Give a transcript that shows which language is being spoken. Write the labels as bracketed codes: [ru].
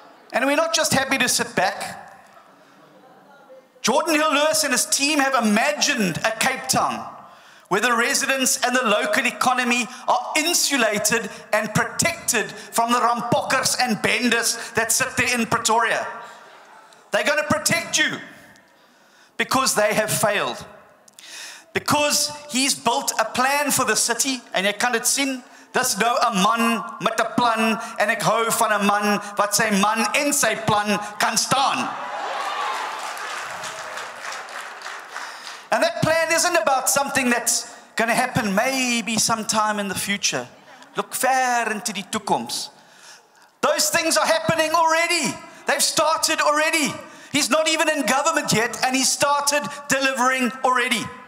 [en] And we're not just happy to sit back. Geordin Hill-Lewis and his team have imagined a Cape Town where the residents and the local economy are insulated and protected from the rampokkers and benders that sit there in Pretoria. They're going to protect you because they have failed. Because he's built a plan for the city, and you can't see it. [af] Dis nou 'n man met 'n plan en ek hou van 'n man wat sy man en sy plan kan staan. [en] And that plan isn't about something that's going to happen maybe sometime in the future. Look far into [af] die toekoms. [en] Those things are happening already. They've started already. He's not even in government yet, and he started delivering already.